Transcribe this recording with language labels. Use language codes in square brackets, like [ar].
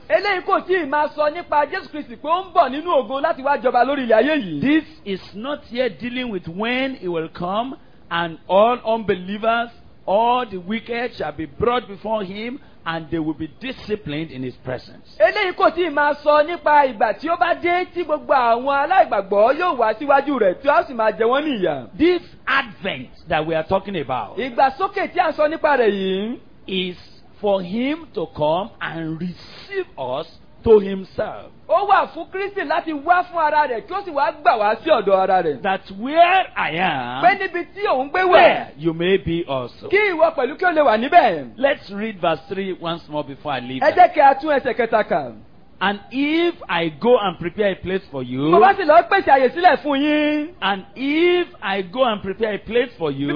[yo] Eléyìí kò tí ì máa sọ nípa Jesus Christ pé ó ń bọ̀ nínú ogun láti wá jọba lórí ilẹ̀ ayé yìí. [en] This is not yet dealing with when he will come and all unbelievers, all the wicked shall be brought before him and they will be disciplined in his presence. [yo] Eléyìí kò tí ì máa sọ nípa ìgbà tí ó bá dé tí gbogbo àwọn aláìgbàgbọ́ yóò wá síwájú rẹ̀ tí ó sì máa jẹ wọ́n níyà. [en] This advent that we are talking about. [yo] Ìgbàsókè tí a ń sọ nípa rẹ̀ yìí. [en] Is for him to come and receive us to himself. [yo] Ó wà fún Kristi láti wá fún ara rẹ̀ kí ó sì wá gbà wá sí ọ̀dọ̀ ara rẹ̀. [en] That where I am. [yo] Pé níbi tí òun gbé wà. [en] There you may be also. [yo] Kí ìwọ pẹ̀lú kí o lè wà níbẹ̀. [en] Let's read verse 3 once more before I leave. [yo] Ẹ jẹ́ kí a tún ẹsẹ̀ kẹta kà. [en] And if I go and prepare a place for you. [yo] Mo bá sì lọ pèsè àyè sílẹ̀ fún yín. [en] And if I go and prepare a place for you.